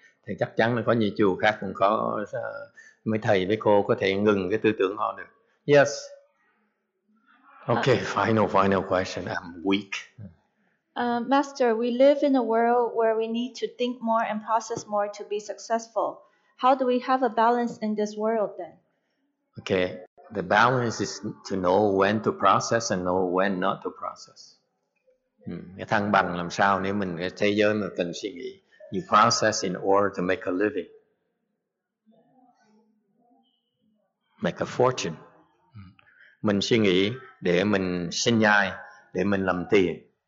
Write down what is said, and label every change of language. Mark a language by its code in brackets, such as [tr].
[vi] Thì chắc chắn là có nhiều chùa khác cũng có mấy thầy với cô có thể ngừng cái tư tưởng họ được. [en] Yes. Okay, final question. I'm weak. Master, we live in a world where we need to think more and process more to be successful. How do we have a balance in this world then? Okay, the balance is to know when to process and know when not to process. [vi] Cái thăng bằng làm sao nếu mình cái thế giới mà cần suy nghĩ. [en] You process in order to make a living. Make a fortune. [vi] Mình suy nghĩ để mình sinh nhai, để mình làm tiền.